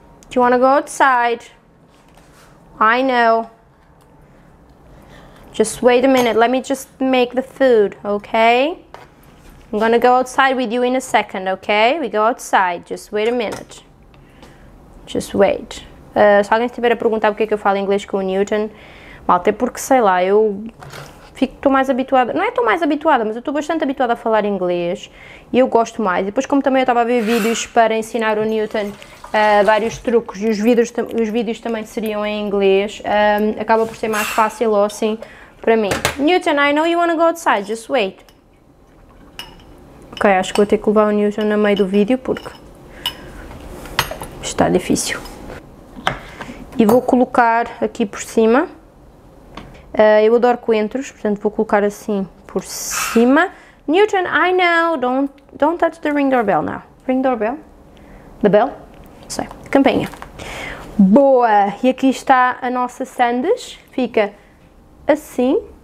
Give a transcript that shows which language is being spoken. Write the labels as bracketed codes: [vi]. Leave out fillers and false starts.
[en] Do you want to go outside? I know. Just wait a minute. Let me just make the food, okay? I'm gonna go outside with you in a second, okay? We go outside. Just wait a minute. Just wait. [pt] Se alguém estiver a perguntar porque é que eu falo inglês com o Newton, mal, até porque sei lá, eu estou mais habituada. Não é estou mais habituada, mas eu estou bastante habituada a falar inglês e eu gosto mais. E depois, como também eu estava a ver vídeos para ensinar o Newton. Vários truques e os vídeos também seriam em inglês. Acaba por ser mais fácil ou assim para mim. [en] Newton, I know you wanna go outside, just wait. [pt] Ok, acho que vou ter que levar o Newton no meio do vídeo porque está difícil. E vou colocar aqui por cima. Eu adoro coentros, portanto vou colocar assim por cima. [en] Newton, I know, don't touch the ring doorbell now. Ring doorbell? The bell? [pt] Sei, campainha. Boa! E aqui está a nossa Sandes. Fica assim.